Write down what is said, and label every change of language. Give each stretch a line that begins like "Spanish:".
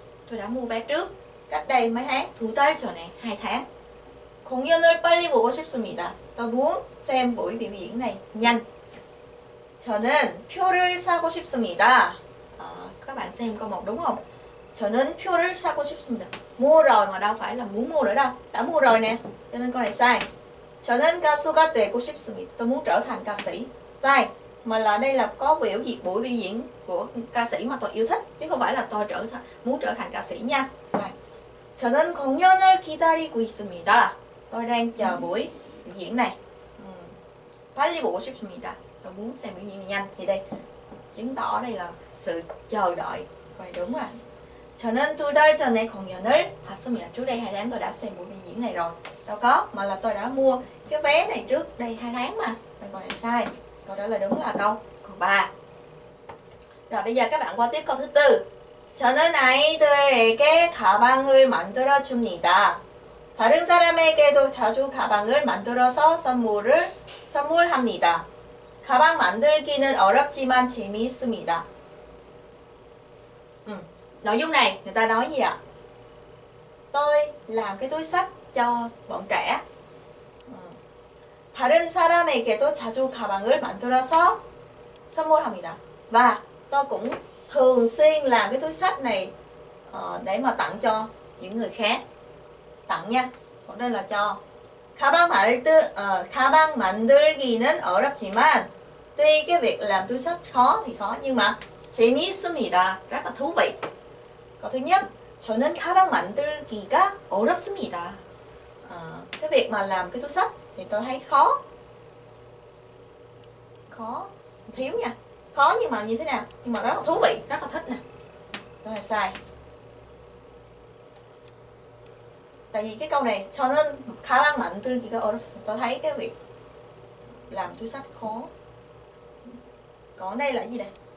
Vietnamese: Tôi đã mua vé trước cách đây mấy tháng.
Korean: 두 달 전에
Vietnamese: 2 tháng.
Korean: 공연을 빨리 보고 싶습니다.
Vietnamese: Tôi muốn xem buổi biểu diễn này nhanh.
Korean: 저는 표를 사고 싶습니다.
Vietnamese: Các bạn xem câu 1 đúng không?
Korean: 저는 표를 사고 싶습니다.
Vietnamese: Mua rồi mà đâu phải là muốn mua nữa đâu. Đã mua rồi nè. Cho nên câu này sai.
Korean: 저는 가수가 되고 싶습니다.
Vietnamese: Tôi muốn trở thành ca sĩ. Sai. Mà là đây là có biểu diễn, buổi biểu diễn của ca sĩ mà tôi yêu thích, chứ không phải là tôi muốn trở thành ca sĩ nha. Sai.
Korean: 저는 공연을 기다리고 있습니다.
Vietnamese: Tôi đang chờ buổi biểu diễn này.
Korean: 빨리 보고 싶습니다.
Vietnamese: Tôi muốn xem biểu diễn nhanh. Thì đây chứng tỏ đây là sự chờ đợi. Vậy đúng rồi.
Korean: 저는 두 달 전에 공연을 봤습니다.
Vietnamese: Trước đây 2 tháng tôi đã xem buổi biểu diễn này rồi. Tôi có, mà là tôi đã mua cái vé này trước đây 2 tháng mà. Mình còn lại sai. Câu đó là đúng là câu 3. Rồi bây giờ các bạn qua tiếp câu thứ 4.
Korean: 저는 아이들에게 가방을 만들어 줍니다. 다른 사람에게도 자주 가방을 만들어서 선물합니다. 가방 만들기는 어렵지만 재미있습니다.
Vietnamese: Nội dung này người ta nói gì ạ? Tôi làm cái túi sách cho bọn trẻ.
Korean: 다른 사람에게도 자주 가방을 만들어서 선물합니다.
Vietnamese: Và tôi cũng thường xuyên làm cái túi sách này để mà tặng cho những người khác. Tặng nha. Còn đây là cho.
Korean: 가방 만들기는 어렵지만,
Vietnamese: tuy cái việc làm túi sách khó thì khó, nhưng mà
Korean: 재미있습니다.
Vietnamese: Rất là thú vị. Câu thứ nhất,
Korean: 저는 가방 만들기가 어렵습니다.
Vietnamese: Cái việc mà làm cái túi sách thì tôi thấy khó. Khó, thiếu nha. Khó nhưng mà như thế nào? Nhưng mà rất là thú vị, rất là thích nè. Câu này sai. Tại vì cái câu này,
Korean: 저는 가방 만들기가 어렵습니다.
Vietnamese: Tôi thấy cái việc làm túi sách khó. Còn đây là gì nè?